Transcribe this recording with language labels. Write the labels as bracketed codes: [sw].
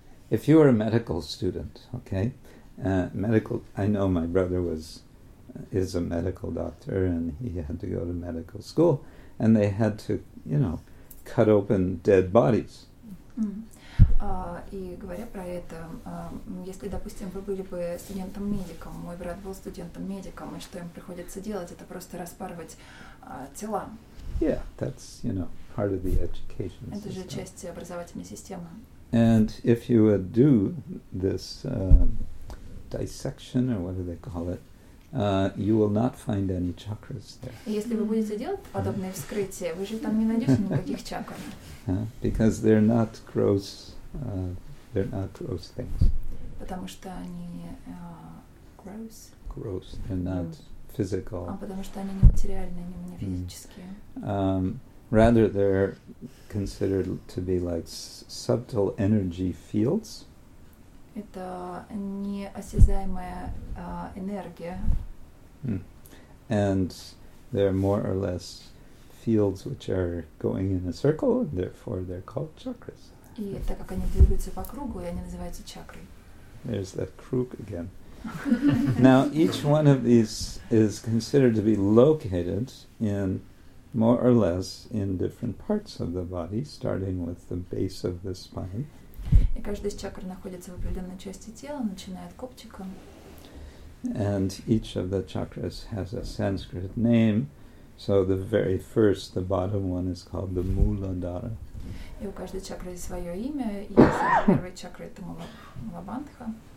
[en] if you were a medical student, okay, I know my brother is a medical doctor, and he had to go to medical school, and they had to, you know, cut open dead bodies. Mm. [ru] И говоря про это, если, допустим, вы были бы студентом-медиком, мой брат был студентом-медиком, и что им приходится делать, это просто распарывать тела. [en] Yeah, that's, you know, part of the education system. [ru] Это же часть образовательной системы. [en] And if you would do this dissection, or what do they call it, you will not find any chakras there. [ru] Если вы будете делать подобное вскрытие, вы же там не найдете никаких чакр. [en] Because they're not gross. They're not gross things. [ru] Потому что они gross. [en] Gross. They're not physical. [ru] А потому что они не материальные, они не физические. [en] Rather, they're considered to be like subtle energy fields. [ru] Это неосязаемая энергия. [en] and there are more or less fields which are going in a circle, and therefore they're called chakras. [ru] И так как они двигаются по кругу, они называются чакры. [en] There's that crook again. Now each one of these is considered to be located in more or less in different parts of the body, starting with the base of the spine. [ru] И каждый из чакр находится в определенной части тела, начиная от копчика. [en] And each of the chakras has a Sanskrit name, so the very first, the bottom one, is called the Muladhara. [ru] И у каждой чакры свое имя, и первая чакра это Муладхара.